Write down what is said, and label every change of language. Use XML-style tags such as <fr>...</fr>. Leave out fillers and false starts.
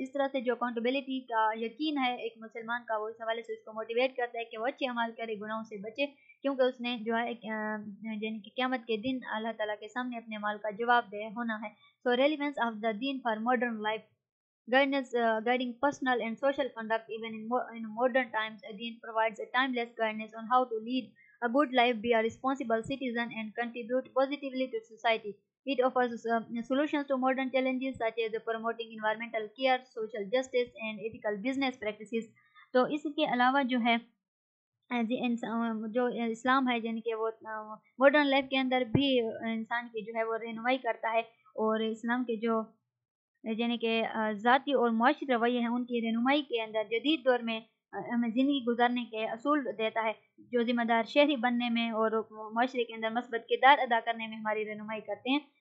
<hi>इस तरह से जो अकाउंटेबिलिटी का यकीन है एक मुसलमान का वो इस हवाले से उसको मोटिवेट करता है कि वह अच्छे अमाल करे गुनाहों से बचे क्योंकि उसने जो है यानी कि क़यामत के दिन अल्लाह ताला के सामने अपने अमाल का जवाब दे होना है.</hi> <en>So relevance of the दीन for modern life guidance guiding personal and social conduct even in modern times दीन provides a timeless guidance on how to lead a good life be a responsible citizen and contribute positively to society. It offers solutions to modern challenges such as promoting environmental care, social justice and ethical business practices.</en> <hi>तो इसके अलावा जो है जो इस्लाम है यानी कि वो मॉडर्न लाइफ के अंदर भी इंसान की जो है वो रहनुमाई करता है और इस्लाम के जो यानी कि ज़ाती और मुआशी रवैये हैं उनकी रहनुमाई के अंदर जदीद दौर में हमें ज़िंदगी गुजारने के असूल देता है जो ज़िम्मेदार शहरी बनने में और माशरे के अंदर मस्बत किरदार अदा करने में हमारी रहनुमाई करते हैं.</hi>